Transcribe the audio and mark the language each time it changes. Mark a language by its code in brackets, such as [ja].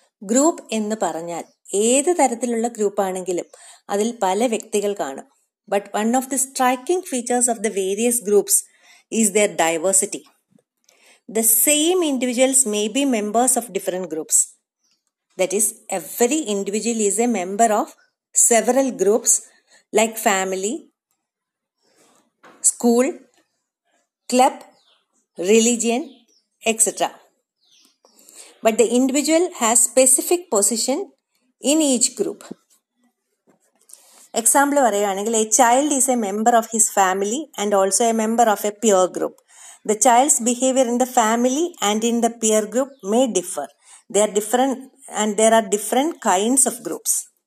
[ml] Group എന്ന് പറഞ്ഞാൽ ഏത് തരത്തിലുള്ള ഗ്രൂപ്പാണെങ്കിലും അതിൽ പല വ്യക്തികൾ കാണും. [en] But one of the striking features of the various groups is their diversity. The same individuals may be members of different groups. That is, every individual is a member of several groups like family, school, club, religion, etc. But the individual has specific position in each group. [ml] Example പറയുകയാണെങ്കിൽ, [en] A child is a member of his family and also a member of a peer group. The child's behaviour in the family and in the peer group may differ. There are different kinds of groups.